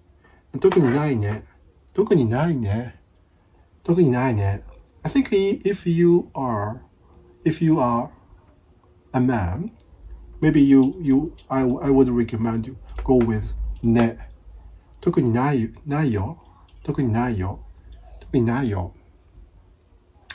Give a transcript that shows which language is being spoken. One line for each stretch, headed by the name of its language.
Japanese: "特にないね." "特にないね." "特にないね."
English: I think if you are a man, maybe I would recommend you go with ね.
Japanese: "特にないよ." "特にないよ." "特にないよ."